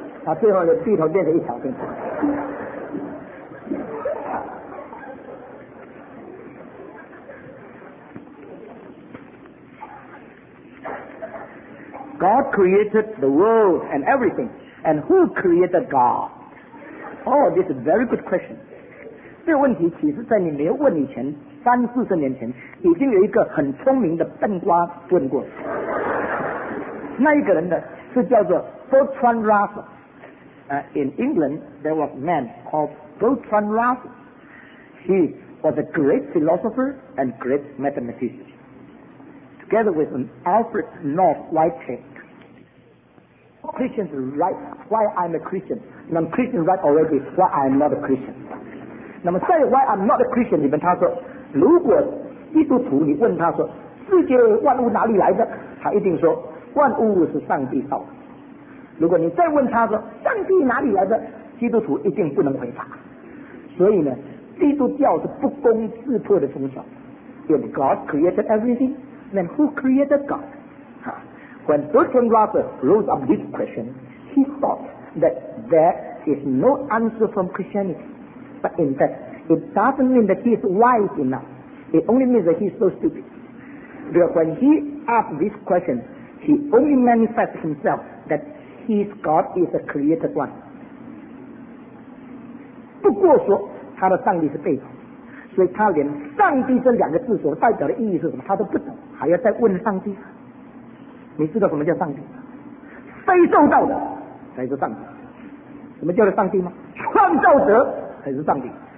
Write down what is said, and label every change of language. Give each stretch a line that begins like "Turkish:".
Chinese: 他最后的地头变成一条线，
English: God created the world and everything, and who created God? Oh, this is a very good question.
Chinese: 这个问题其实在你没有问以前，三四十年前，已经有一个很聪明的笨瓜问过。那一个人呢，是叫做 Bertrand Russell。
English: In England, there was a man called Bertrand Russell. He was a great philosopher and great mathematician, together with an Alfred North Whitehead. Christians write why I'm a Christian. Non-Christians write already why I'm not a Christian.
Chinese: 那么在
English: why I'm not a Christian
Chinese: 里面，他说，如果基督徒你问他说，世界万物哪里来的，他一定说，万物是上帝造的。如果你再问他说上帝哪里来的，基督徒一定不能回答。所以呢，基督教是不攻自破的宗教。
English: If God created everything, then who created God? When Bertrand Russell wrote up this question, he thought that there is no answer from Christianity. But in fact, it doesn't mean that he is wise enough. It only means that he is so stupid. Because when he asked this question, he only manifested himself thatHis God is a created one.
Chinese: 不过说他的上帝是被动，所以他连上帝这两个字所代表的意义是什么他都不懂，还要再问上帝。你知道什么叫上帝？非受造的才是上帝。什么叫做上帝吗？创造者才是上帝。